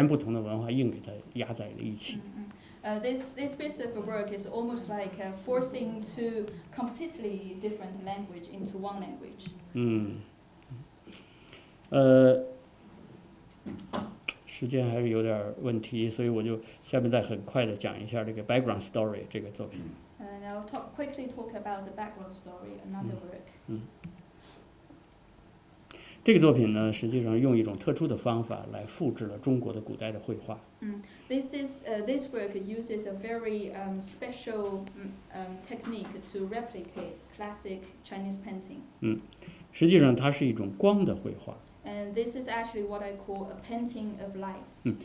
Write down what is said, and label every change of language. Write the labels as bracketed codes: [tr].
[zh] 这个作品是先生就把这个两种截然不同的文化硬给它压在了一起。 [en] This piece of work is almost like forcing two completely different language into one language. [zh] 时间还是有点问题，所以我就下面再很快的讲一下这个 background story 这个作品。 [en] I'll quickly talk about the background story, another work. [zh] 这个作品呢，实际上用一种特殊的方法来复制了中国的古代的绘画。 [en] This work uses a very special technique to replicate classic Chinese painting. [zh] 实际上它是一种光的绘画。 [en] And this is actually what I call a painting of lights.